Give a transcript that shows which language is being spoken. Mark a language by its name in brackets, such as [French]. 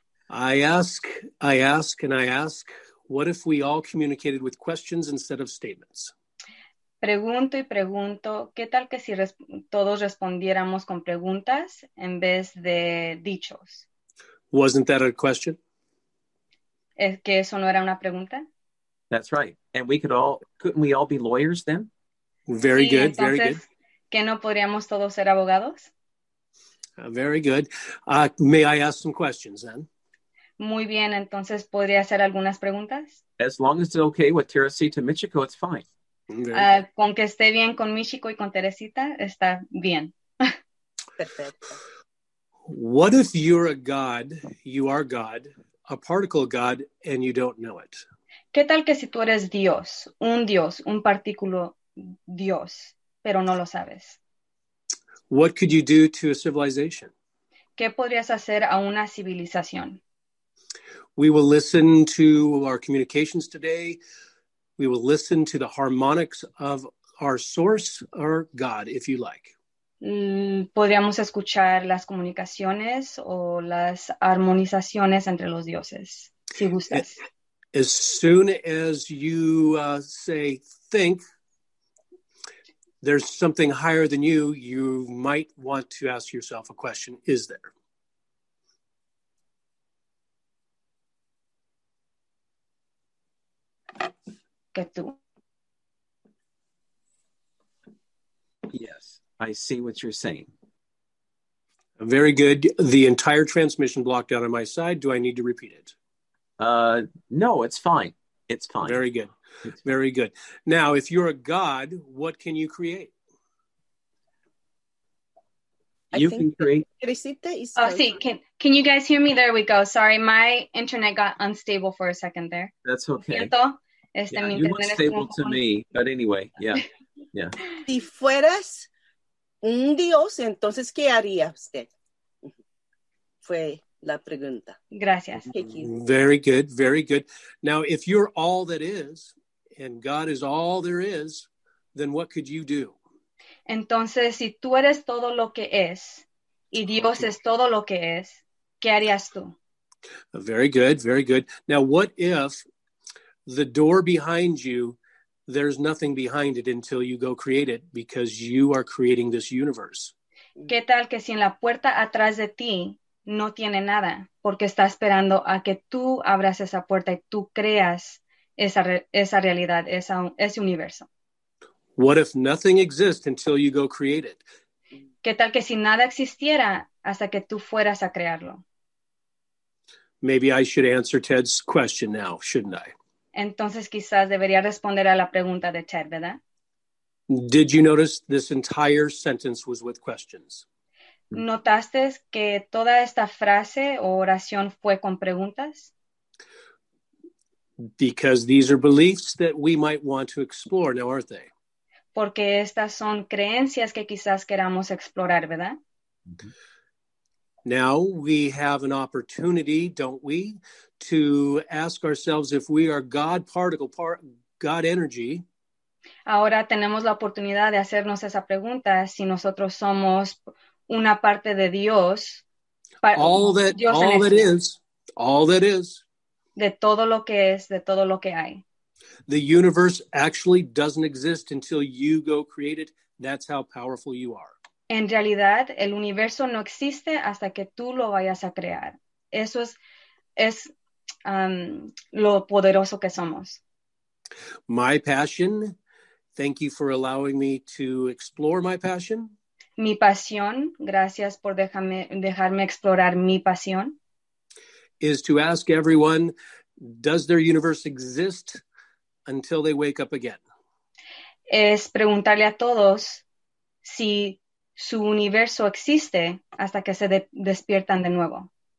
[English] I ask, what if we all communicated with questions instead of statements? [Spanish] Pregunto y pregunto, ¿qué tal que si todos respondiéramos con preguntas en vez de dichos? [English] Wasn't that a question? [Spanish] ¿Es que eso no era una pregunta? [English] That's right. And we couldn't we all be lawyers then? Very good, very good. [Spanish] ¿Que no podríamos todos ser abogados? [English] Very good. May I ask some questions then? [Spanish] Muy bien, entonces, ¿podría hacer algunas preguntas? [English] As long as it's okay with Teresita and Michiko, it's fine. [Spanish] Con que esté bien con Michiko y con Teresita, está bien. Perfecto. [English] What if you're a god, you are God, a particle god, and you don't know it? [Spanish] ¿Qué tal que si tú eres Dios, un partículo Dios, pero no lo sabes? [English] What could you do to a civilization? [Spanish] ¿Qué podrías hacer a una civilización? [English] We will listen to our communications today. We will listen to the harmonics of our source, our God, if you like. [Spanish] Podríamos escuchar las comunicaciones o las armonizaciones entre los dioses, si gustas. [English] As soon as you say, think, there's something higher than you, you might want to ask yourself a question, is there? [Spanish] Que tú. [English] Yes, I see what you're saying. Very good. The entire transmission blocked out on my side. Do I need to repeat it? No, it's fine. It's fine. Very good. Very good. Now, if you're a god, what can you create? Can you guys hear me? There we go. Sorry, my internet got unstable for a second there. That's okay. [Spanish] ¿Siento? [English] You look stable to me, but anyway, yeah. [Spanish] Si fueras un dios, entonces, ¿qué haría usted? Fue la pregunta. Gracias. [English] Very good, very good. Now, if you're all that is, and God is all there is, then what could you do? [Spanish] Entonces, si tú eres todo lo que es, y Dios es todo lo que es, ¿qué harías tú? [English] Very good, very good. Now, what if the door behind you, there's nothing behind it until you go create it, because you are creating this universe. [Spanish] ¿Qué tal que si en la puerta atrás de ti no tiene nada, porque está esperando a que tú abras esa puerta y tú creas esa realidad, ese universo? [English] What if nothing exists until you go create it? [Spanish] ¿Qué tal que si nada existiera hasta que tú fueras a crearlo? [English] Maybe I should answer Ted's question now, shouldn't I? [Spanish] Entonces, quizás debería responder a la pregunta de Ted, ¿verdad? [English] Did you notice this entire sentence was with questions? [Spanish] ¿Notaste que toda esta frase o oración fue con preguntas? [English] Because these are beliefs that we might want to explore, now, aren't they? [Spanish] Porque estas son creencias que quizás queramos explorar, ¿verdad? [English] Now we have an opportunity, don't we, to ask ourselves if we are God particle, God energy. [Spanish] Ahora tenemos la oportunidad de hacernos esa pregunta, si nosotros somos una parte de Dios. [English] All that is. [Spanish] De todo lo que es, de todo lo que hay. [English] The universe actually doesn't exist until you go create it. That's how powerful you are. [Spanish] En realidad, el universo no existe hasta que tú lo vayas a crear. Eso es lo poderoso que somos. [English] My passion. Thank you for allowing me to explore my passion. [Spanish] mi pasión. Gracias por dejarme explorar mi pasión. [English] Is to ask everyone, does their universe exist until they wake up again? [Spanish] Es preguntarle a todos si su universo existe hasta que se despiertan de nuevo.